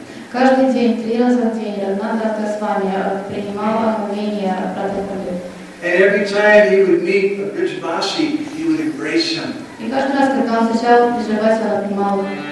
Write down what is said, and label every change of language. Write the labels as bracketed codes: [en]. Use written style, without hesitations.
[ru] Каждый день, 3 раза в день, Раганатх Дас Госвами принимал омовение в Радхакунде. [en] And every time he would meet a Brijavasi, he would embrace him. [ru] И каждый раз, когда он встречал Брижаваси, он обнимал его.